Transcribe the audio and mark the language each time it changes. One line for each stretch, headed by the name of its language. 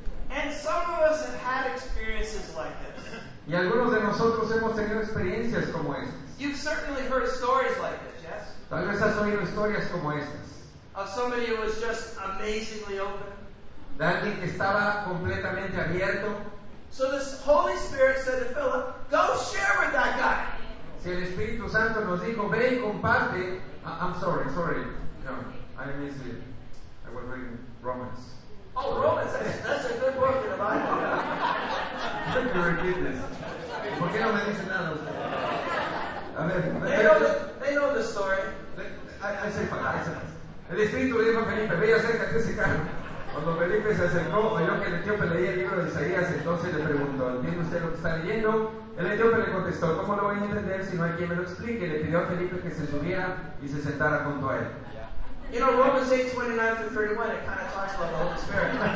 English: And some of us have had experiences like this.
Spanish: Y algunos de nosotros hemos tenido experiencias como estas.
English: You've certainly heard stories like this, yes?
Spanish: Tal vez has oído historias como estas.
English: Of somebody who was just amazingly open.
Spanish: De alguien que estaba completamente abierto.
English: So this Holy Spirit said to Philip, go share with that guy.
Spanish: Si el Espíritu Santo nos dijo, ve y comparte.
English: I'm sorry, sorry. No. I miss it. I was reading Romans. Oh, Romans. That's a good book in the Bible. Thank you for giving this.
Spanish: ¿Por qué no me dicen nada? A ver.
English: They know the story. I say fine.
Spanish: El Espíritu le dijo a Felipe, ve y acércate a ese carro. Cuando Felipe se acercó, oyó que el etíope leía el libro de Isaías, entonces le preguntó, ¿entiende usted lo que está leyendo? El etíope le contestó, ¿cómo lo voy a entender si no hay quien me lo explique? Le pidió a Felipe que se subiera y se sentara junto a él.
English: You know, Romans 8, 29 through 31, it kind of talks about the Holy Spirit.